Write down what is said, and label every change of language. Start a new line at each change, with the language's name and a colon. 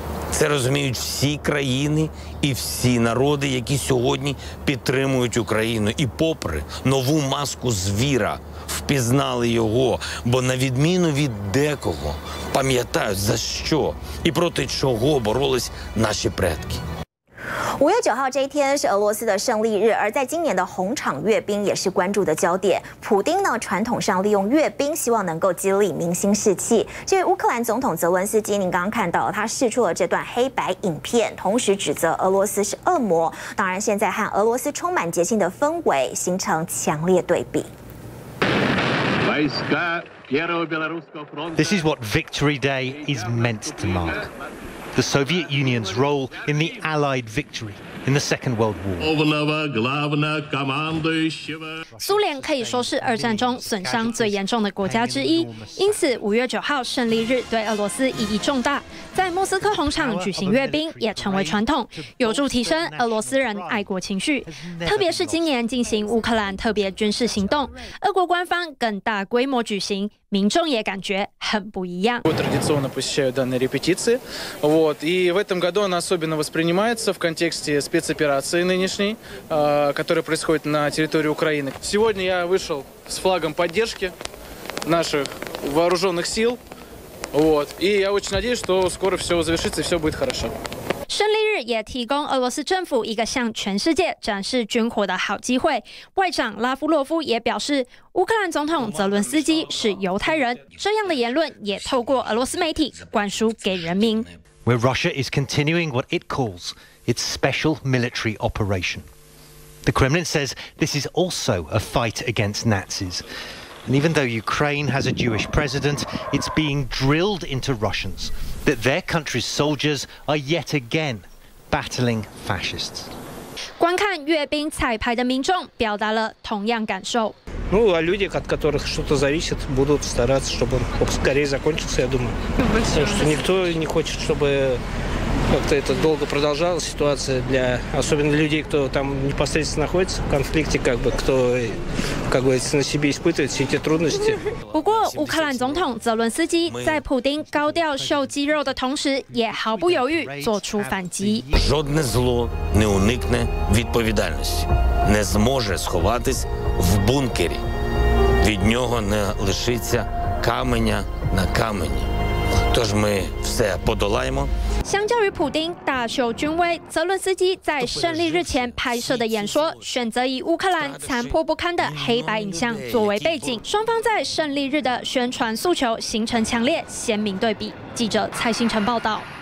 Ukrainian: Це розуміють всі країни і всі народи, які сьогодні підтримують Україну. І попри нову маску звіра впізнали його. Бо на відміну від декого пам'ятають за що і проти чого боролись наші предки.
Chinese: 五月九号这一天是俄罗斯的胜利日，而在今年的红场阅兵也是关注的焦点。普丁呢，传统上利用阅兵，希望能够激励民心士气。这位乌克兰总统泽文斯基，您刚刚看到他释出了这段黑白影片，同时指责俄罗斯是恶魔。当然，现在和俄罗斯充满节庆的氛围形成强烈对比。
English: This is what Victory Day is meant to mark. The Soviet Union's role in the Allied victory in the Second World War.
Chinese: 苏联可以说是二战中损伤最严重的国家之一，因此五月九号胜利日对俄罗斯意义重大。在莫斯科红场举行阅兵也成为传统，有助提升俄罗斯人爱国情绪。特别是今年进行乌克兰特别军事行动，俄国官方更大规模举行。民众也感觉很不一样。
Russian: 我традиционно посещаю данные репетиции, вот, и в этом году она особенно воспринимается в контексте спецоперации нынешней, которая происходит на территории Украины. Сегодня я вышел с флагом поддержки наших вооруженных сил, вот, и я очень надеюсь, что скоро все завершится и все будет хорошо.
Chinese: 胜利日也提供俄罗斯政府一个向全世界展示军火的好机会。外长拉夫洛夫也表示，乌克兰总统泽伦斯基是犹太人，这样的言论也透过俄罗斯媒体灌输给人民。
English: Where Russia is continuing what it calls its special military operation. The Kremlin says this is also a fight against Nazis. And even though Ukraine has a Jewish president, it's being drilled into Russians that their country's soldiers are yet again battling fascists.
Chinese: 观看阅兵彩排的民众表达了同样感受。
Russian: Ну, а люди, от которых что-то зависит, будут стараться, чтобы он скорее закончился, я думаю. Потому что никто не хочет, чтобы как-то это долго продолжалось, ситуация для, особенно людей, кто там непосредственно находится в конфликте, как бы, кто, как говорится, на себе испытывает все эти трудности.
Chinese: 不过乌克兰总统泽伦斯基在普丁高调秀肌肉的同时也毫不犹豫做出反击。
Ukrainian: Жодне зло не уникне відповідальності, не зможе сховатись в бункері. Від нього не лишиться каменя на камені. Тож ми все подолаємо.
Chinese: 相较于普丁大秀军威，泽伦斯基在胜利日前拍摄的演说选择以乌克兰残破不堪的黑白影像作为背景，双方在胜利日的宣传诉求形成强烈鲜明对比。记者蔡星辰报道。